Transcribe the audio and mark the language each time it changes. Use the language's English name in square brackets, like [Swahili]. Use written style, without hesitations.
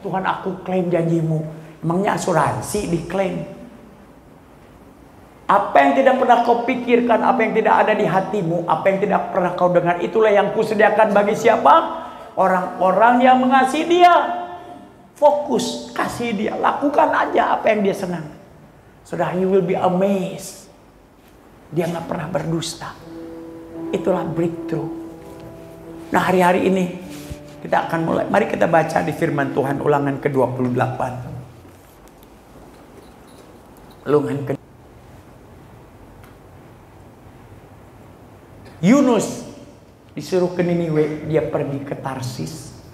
[Indonesian] Tuhan, aku klaim janjimu. Emangnya asuransi diklaim? Apa yang tidak pernah kau pikirkan, apa yang tidak ada di hatimu, apa yang tidak pernah kau dengar, itulah yang kusediakan bagi siapa? Orang-orang yang mengasihi dia. Fokus, kasih dia. Lakukan aja apa yang dia senang. [English] Saudara, you will be amazed. [Indonesian] Dia gak pernah berdusta. Itulah breakthrough. Nah, hari-hari ini kita akan mulai. Mari kita baca di firman Tuhan, Ulangan ke-28. Ulangan ke Yunus disuruh ke Niniwe, dia pergi ke Tarsis.